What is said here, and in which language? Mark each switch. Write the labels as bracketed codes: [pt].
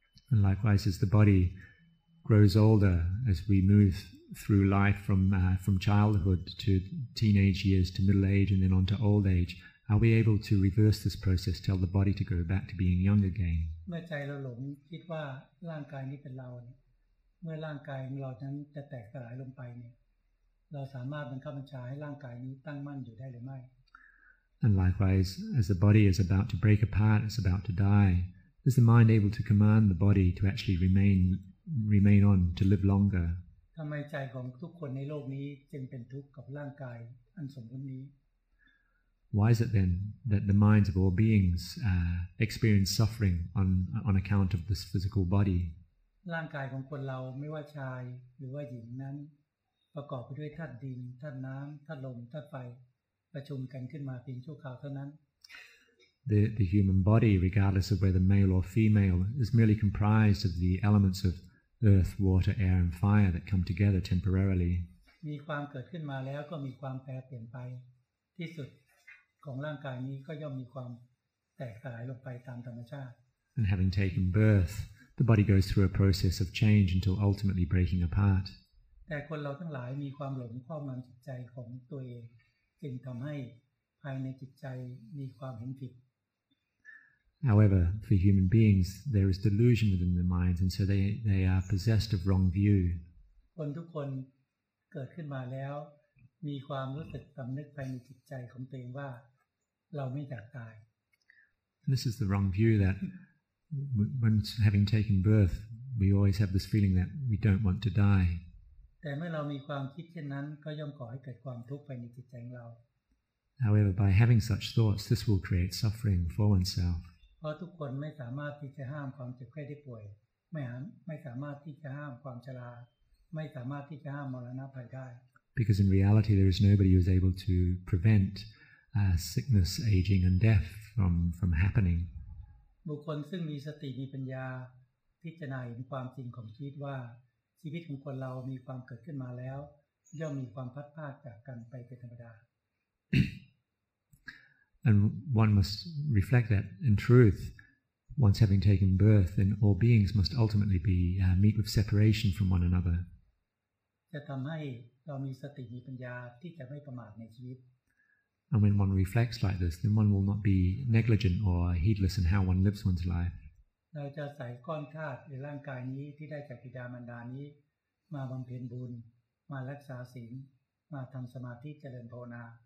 [en] And likewise, as the body grows older, as we move through life from childhood to teenage years to middle age, and then on to old age. Are we able to reverse this process? Tell the body to go back to being young again. [th] เมื่อใจเราหลงคิดว่าร่างกายนี้เป็นเราเมื่อร่างกายของเรานั้นจะแตกสลายลงไปเนี่ยเราสามารถบังคับบัญชาให้ร่างกายนี้ตั้งมั่นอยู่ได้หรือไม่ [en] And likewise, as the body is about to break apart, it's about to die. Is the mind able to command the body to actually remain on to live longer? [th] ทำไมใจของทุกคนในโลกนี้จึงเป็นทุกข์กับร่างกายอันสมบูรณ์นี้ [en] Why is it then that the minds of all beings experience suffering on account of this physical body? [th] ร่างกายของคนเราไม่ว่าชายหรือว่าหญิงนั้นประกอบไปด้วยธาตุดินธาตุน้ำธาตุลมธาตุไฟประชุมกันขึ้นมาเพียงชั่วคราวเท่านั้น [en] The human body, regardless of whether male or female, is merely comprised of the elements of earth, water, air, and fire that come together temporarily. [th] มีความเกิดขึ้นมาแล้วก็มีความแปรเปลี่ยนไปที่สุดของร่างกายนี้ก็ย่อมมีความแตกสลายลงไปตามธรรมชาติ [en] And having taken birth, the body goes through a process of change until ultimately breaking apart. [th] แต่คนเราทั้งหลายมีความหลงครอบงำจิตใจของตัวเองจึงทำให้ภายในจิตใจมีความเห็นผิด [en] However for human beings there is delusion within the mind and so they are possessed of wrong view [th] คนทุกคนเกิดขึ้นมาแล้วมีความรู้สึกสำนึกภายในจิตใจของตัวเองว่าเราไม่อยากตาย [en] This is the wrong view that when having taken birth we always have this feeling that we don't want to die [th] แต่เมื่อเรามีความคิดเช่นนั้นก็ย่อมก่อให้เกิดความทุกข์ภายในจิตใจเรา [en] However by having such thoughts this will create suffering for oneself [th] เพราะทุกคนไม่สามารถที่จะห้ามความเจ็บไข้ได้ป่วยไม่สามารถที่จะห้ามความชราไม่สามารถที่จะห้ามมรณภัยได้ [en] Because in reality there is nobody who is able to prevent sickness aging and death from happening [th] บุคคลซึ่งมีสติมีปัญญาพิจารณาเห็นความจริงของชีวิตว่าชีวิตของคนเรามีความเกิดขึ้นมาแล้วย่อมมีความพัดพาดจากกันไปเป็นธรรมดา [en] And one must reflect that in truth once having taken birth then all beings must ultimately be meet with separation from one another [th] จะทำให้เรามีสติมีปัญญาที่จะไม่ประมาทในชีวิต [en] And when one reflects like this then one will not be negligent or heedless in how one lives one's life [th] เราจะใส่ก้อนธาตุในร่างกายนี้ที่ได้จากบิดามารดานี้มาบำเพ็ญบุญมารักษาศีลมาทำสมาธิเจริญภาวนา